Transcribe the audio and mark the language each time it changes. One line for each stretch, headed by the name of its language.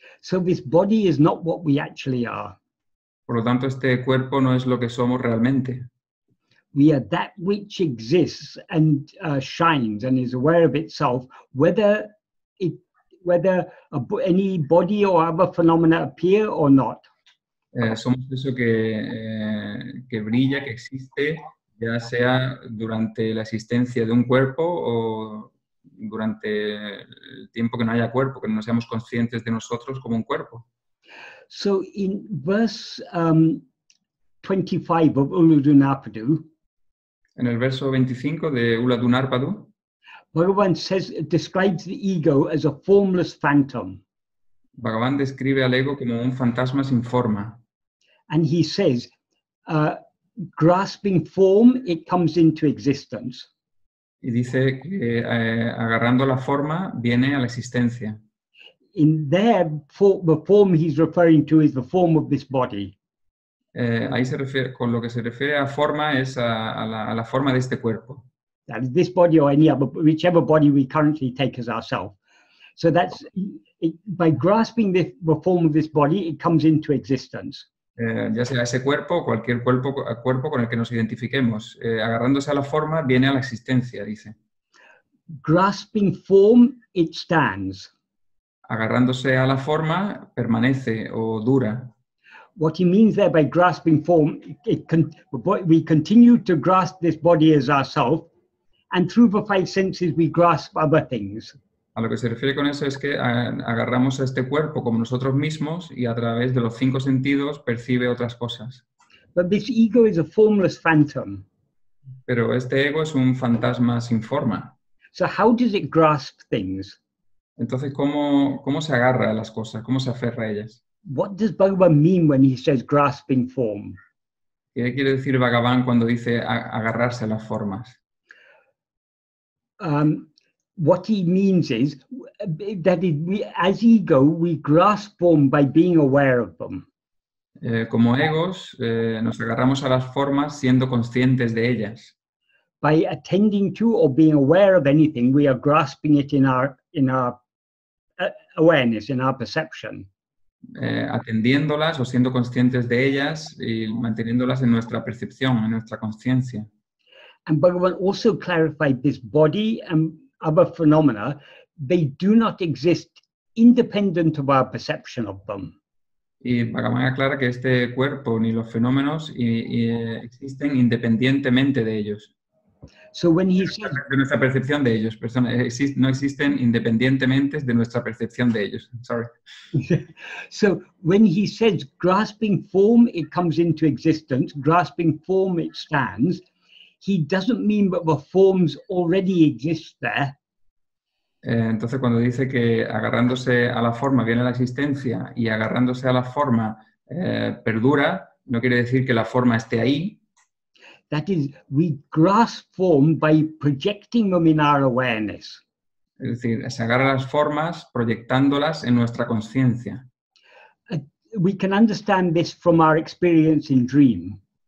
English: So this body is not what we actually are.
Spanish: Por lo tanto, este cuerpo no es lo que somos realmente.
English: We are that which exists and shines and is aware of itself, whether any body or other phenomena appear or not.
Spanish: Somos eso que brilla, que existe, ya sea durante la existencia de un cuerpo o durante el tiempo que no haya cuerpo, que no seamos conscientes de nosotros como un cuerpo.
English: So in verse 25 of Uladunarpadu,
Spanish: en el verso 25 de Uladunarpadu,
English: Bhagavan says, describes the ego as a formless phantom.
Spanish: Bhagavan describe al ego como un fantasma sin forma.
English: And he says, grasping form, it comes into existence.
Spanish: Y dice que agarrando la forma, viene a la existencia.
English: In there, the form he's referring to is the form of this body.
Spanish: Ahí se refiere, con lo que se refiere a forma es a la forma de este cuerpo.
English: That is this body or any other, whichever body we currently take as ourselves. So that's, by grasping the form of this body, it comes into existence.
Spanish: Ya sea ese cuerpo o cualquier cuerpo con el que nos identifiquemos. Agarrándose a la forma, viene a la existencia, dice.
English: Grasping form, it stands.
Spanish: Agarrándose a la forma, permanece o dura.
English: What he means there by grasping form, we continue to grasp this body as ourselves, and through the five senses, we grasp other things.
Spanish: A lo que se refiere con eso es que agarramos a este cuerpo como nosotros mismos y a través de los cinco sentidos percibe otras cosas.
English: But this ego is a formless phantom.
Spanish: Pero este ego es un fantasma sin forma.
English: So how does it grasp things?
Spanish: Entonces, ¿cómo se agarra a las cosas? ¿Cómo se aferra a ellas?
English: What does Bhagavan mean when he says grasping form?
Spanish: ¿Qué quiere decir Bhagavan cuando dice agarrarse a las formas?
English: what he means is that we, as ego, we grasp them by being aware of them.
Spanish: Como egos, nos agarramos a las formas siendo conscientes de ellas.
English: By attending to or being aware of anything, we are grasping it in our awareness, in our perception.
Spanish: Atendiéndolas o siendo conscientes de ellas y manteniéndolas en nuestra percepción, en nuestra conciencia.
English: And Bhagavan also clarified this body and other phenomena, they do not exist independent of our perception of them.
Spanish: Y Bhagavan aclara que este cuerpo ni los fenómenos y existen independientemente de ellos.
English: So when he says,
Spanish: de nuestra percepción de ellos, no existen independientemente de nuestra percepción de ellos.
English: Sorry. So when he says grasping form, it comes into existence. Grasping form, it stands. He doesn't mean that the forms already exist there.
Spanish: Entonces, cuando dice que agarrándose a la forma viene la existencia y agarrándose a la forma perdura, no quiere decir que la forma esté ahí.
English: That is, we grasp form by projecting them in our awareness.
Spanish: Es decir, se agarra las formas proyectándolas en nuestra conciencia.
English: We can understand this from our experience in dream.